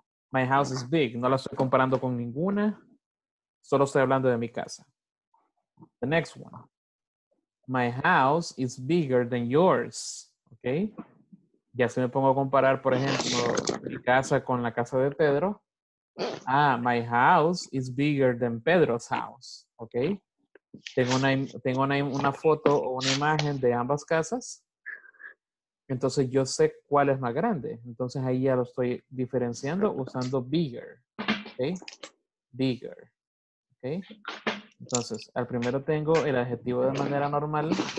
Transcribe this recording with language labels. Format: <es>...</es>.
<en>My house is big.</en> <es>No la estoy comparando con ninguna. Solo estoy hablando de mi casa.</es> <en>The next one. My house is bigger than yours. Okay.</en> <es>Ya si me pongo a comparar, por ejemplo, mi casa con la casa de Pedro.</es> <en>Ah, my house is bigger than Pedro's house. Okay.</en> <es>Tengo una foto o una imagen de ambas casas. Entonces yo sé cuál es más grande. Entonces ahí ya lo estoy diferenciando usando bigger. ¿Okay? Bigger. ¿Okay? Entonces, al primero tengo el adjetivo de manera normal.</es>